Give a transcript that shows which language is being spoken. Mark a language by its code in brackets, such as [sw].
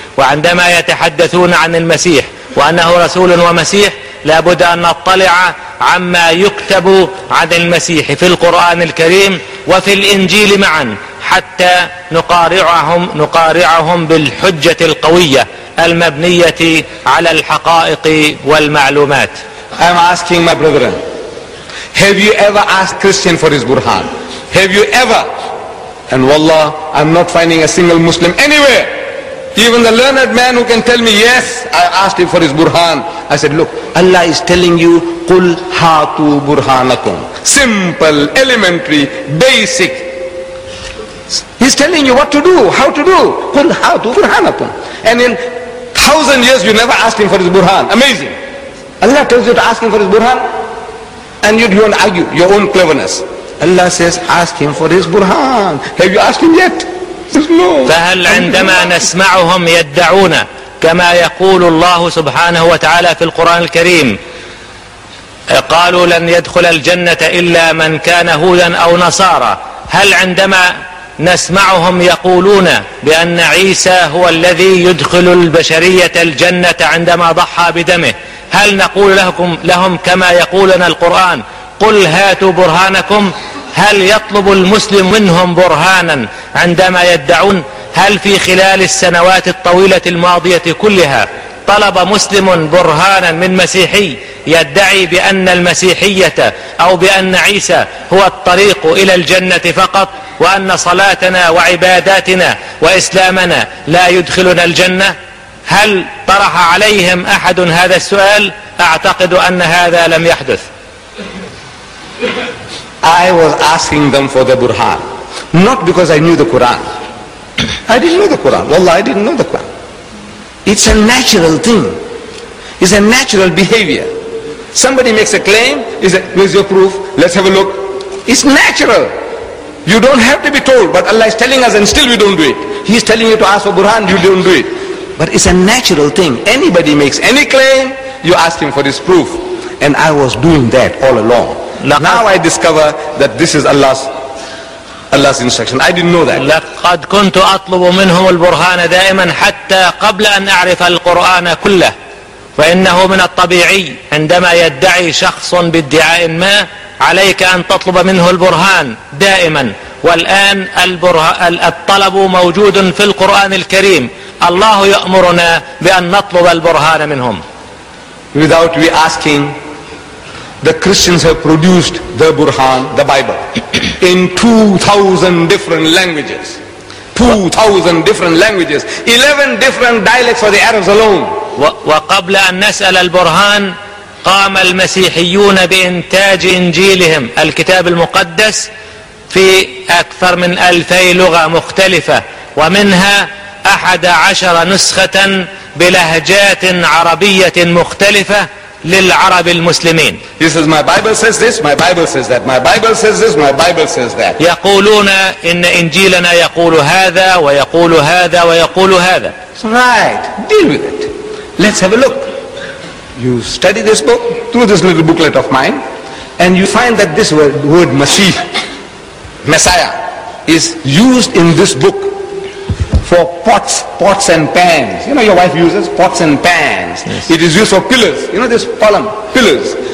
[ar] وعندما يتحدثون عن المسيح وأنه رسول ومسيح, لابد أن نطلع عما يكتب عن المسيح في القرآن الكريم وفي الإنجيل معا, حتى نقارعهم بالحجة القوية المبنية على الحقائق والمعلومات. [en] I'm asking my brethren, have you ever asked Christian for his Burhan? Have you ever? And wallah, I'm not finding a single Muslim anywhere. Even the learned man who can tell me, yes, I asked him for his Burhan. I said, look, Allah is telling you, [ar] قُلْ هَاتُوا بُرْهَانَكُمْ. [en] Simple, elementary, basic. He's telling you what to do, how to do. [ar] قُلْ هَاتُوا بُرْهَانَكُمْ. [en] And in 1,000 years, you never asked him for his Burhan. Amazing. Allah tells you to ask him for his Burhan. And you don't argue your own cleverness. Allah says, ask him for his Burhan. Have you asked him yet? No. [ar] فهل عندما نسمعهم يدعون كما يقول الله سبحانه وتعالى في القرآن الكريم, قالوا لن يدخل الجنة إلا من كان هودا أو نصارى, هل عندما نسمعهم يقولون بأن عيسى هو الذي يدخل البشرية الجنة عندما ضحى بدمه, هل نقول لهم كما يقولنا القرآن, قل هاتوا برهانكم؟ هل يطلب المسلم منهم برهانا عندما يدعون؟ هل في خلال السنوات الطويلة الماضية كلها طلب مسلم برهانا من مسيحي يدعي بأن المسيحية أو بأن عيسى هو الطريق إلى الجنة فقط, وأن صلاتنا وعباداتنا وإسلامنا لا يدخلنا الجنة؟ هل طرح عليهم أحد هذا السؤال؟ أعتقد أن هذا لم يحدث. [en] I was asking them for the Burhan, not because I knew the Quran. I didn't know the Quran. Wallah, I didn't know the Quran. It's a natural thing. It's a natural behavior. Somebody makes a claim, is it, where's your proof? Let's have a look. It's natural. You don't have to be told, but Allah is telling us and still we don't do it. He's telling you to ask for Burhan, you don't do it. But it's a natural thing. Anybody makes any claim, you ask him for his proof. And I was doing that all along. Now I discover that this is Allah's instruction. I didn't know that. [ar] لقد كنت أطلب منهم البرهان دائما حتى قبل أن أعرف القرآن كله. فإنه من الطبيعي عندما يدعي شخص بادعاء ما, عليك أن تطلب منه البرهان دائما. والآن الطلب موجود في القرآن الكريم. الله يأمرنا بأن نطلب البرهان منهم. [en] Without we asking, the Christians have produced the Burhan, the Bible, in 2,000 different languages. 2,000 different languages. 11 different dialects for the Arabs alone. [ar] وقبل أن نسأل البرهان قام المسيحيون بإنتاج إنجيلهم الكتاب المقدس في أكثر من 2,000 لغة مختلفة, ومنها 11 نسخة بلهجات عربية مختلفة للعرب المسلمين. [en] He says, my Bible says this, my Bible says that, my Bible says this, my Bible says that. [ar] يقولون إن إنجيلنا يقول هذا ويقول هذا ويقول هذا. [en] Right, deal with it. Let's have a look. You study this book through this little booklet of mine, and you find that this word Masih, Messiah, is used in this book for pots and pans. You know, your wife uses pots and pans. Yes. It is used for pillars. You know, this column, pillars.